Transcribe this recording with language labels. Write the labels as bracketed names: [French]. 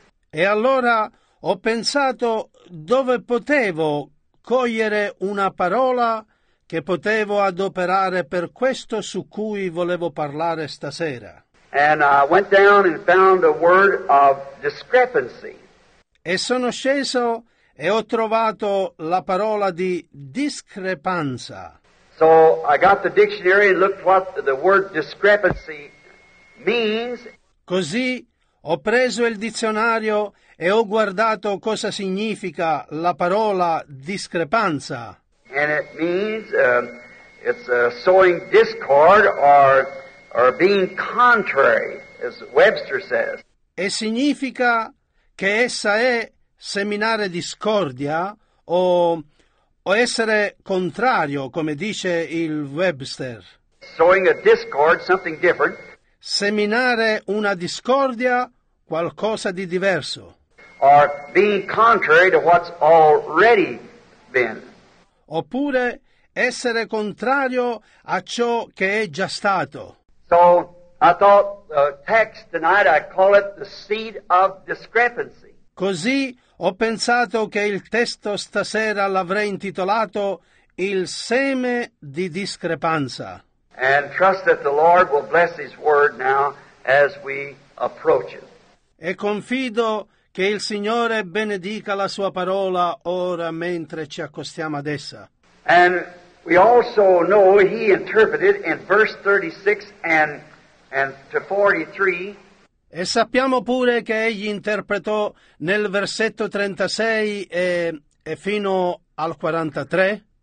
[Italian] E allora ho pensato dove potevo cogliere una parola che potevo adoperare per questo su cui volevo parlare stasera. [English] And I went down and found a word of discrepancy. [Italian] E sono sceso e ho trovato la parola di discrepanza. [English] So I got the dictionary and looked what the word discrepancy means. [Italian] Così ho preso il dizionario e ho guardato cosa significa la parola discrepanza. [English] And it means it's sowing discord or being contrary, as Webster says. [Italian] E significa che essa è seminare discordia o essere contrario, come dice il Webster. [English] Sowing a discord, something different. [Italian] Seminare una discordia, qualcosa di diverso. [English] Or being contrary to what's already been. [Italian] Oppure essere contrario a ciò che è già stato. [English] So I thought the text tonight I call it the seed of discrepancy. [Italian] Così ho pensato che il testo stasera l'avrei intitolato Il seme di discrepanza. [English] And trust that the Lord will bless his word now as we approach it. [Italian] E confido che il Signore benedica la sua parola ora mentre ci accostiamo ad essa. [English] And we also know he interpreted in verse 36 and to 43. [Italian] E sappiamo pure che egli interpretò nel versetto 36 e fino al 43.